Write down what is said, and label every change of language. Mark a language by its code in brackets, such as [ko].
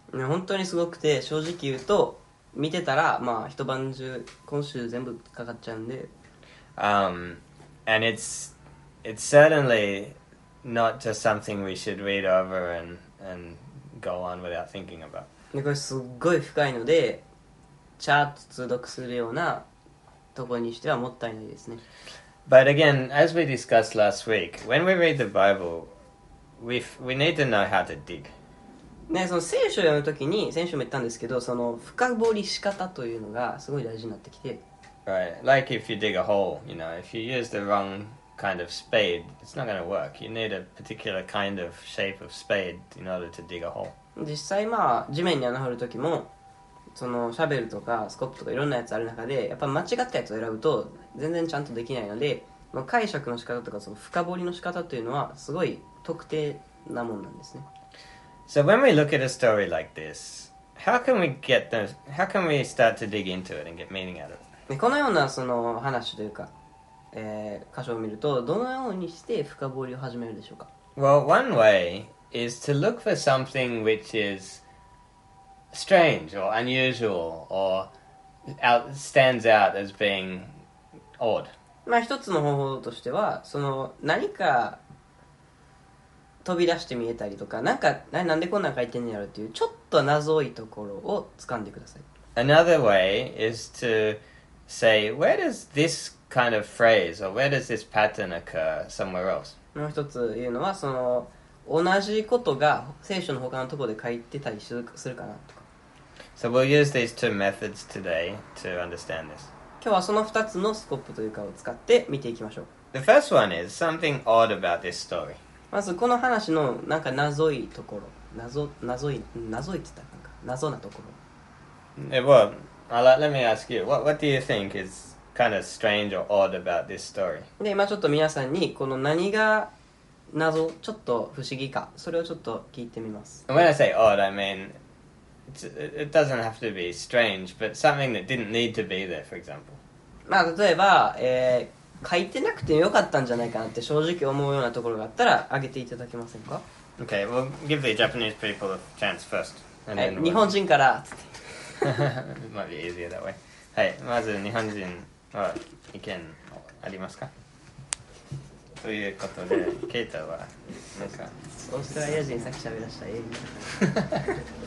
[ja] 本当にすごくて、正直言うと見てたら、まあ、一晩中今週全部かかっちゃうんで。 [en] And it's certainly not just something we should read over and go on without thinking about. [ja] これすごい深いので、チャート通読するようなところにしてはもったいないですね。 [en] But again, as we discussed last week, when we read the Bible, we need to know how to dig. [ja] ね、その聖書を読むときに、先週も言ったんですけど、その深掘り仕方というのがすごい大事になってきて。 [en] Right, like if you dig a hole, you know, if you use the wrong kind of spade, it's not going to work. You need a particular kind of shape of spade in order to dig a hole. [ja] 実際、まあ、地面に穴掘るときも、そのシャベルとかスコップとかいろんなやつある中で、やっぱ間違ったやつを選ぶと全然ちゃんとできないので、まあ、解釈の仕方とかその深掘りの仕方というのはすごい特定なもんなんですね。 [en] So when we look at a story like this, how can we start to dig into it and get meaning out of it? [ja] このようなその話というか、箇所を見るとどのようにして深掘りを始めるでしょうか。 [en] Well, one way is to look for something which isstrange or unusual or stands out as being odd. [ja] まあ一つの方法としては、その何か飛び出して見えたりとか、なんか何でこんなん書いてんのやろっていうちょっと謎いところを掴んでください。 [en] Another way is to say, where does this kind of phrase or where does this pattern occur somewhere else? [ja] もう一つ言うのは、その同じことが聖書の他のところで書いてたりするかなとか。 [en] So we'll use these two methods today to understand this. [ja] 今日はその2つのスコップというかを使って見ていきましょう。 [en] The first one is something odd about this story. [ja] まずこの話のなんか謎いところ、謎なところ。 [en] Well, let me ask you, what do you think is kind of strange or odd about this story? [ja] で、今ちょっと皆さんにこの何が謎、ちょっと不思議か、それをちょっと聞いてみます。 [en] When I say odd, I mean... It doesn't have to be strange, but something that didn't need to be there, for example. [ja] まあ、例えば、書いてなくてよかったんじゃないかなって正直思うようなところがあったら、挙げていただけませんか? [en] Okay, we'll give the Japanese people a chance first. And then [ja] 日本人からっつって。 [en] It might be easier that way. [ja] はい、まず日本人は意見ありますか? ということで、ケイタは、なんか… オーストラリア人さっき喋らした英語。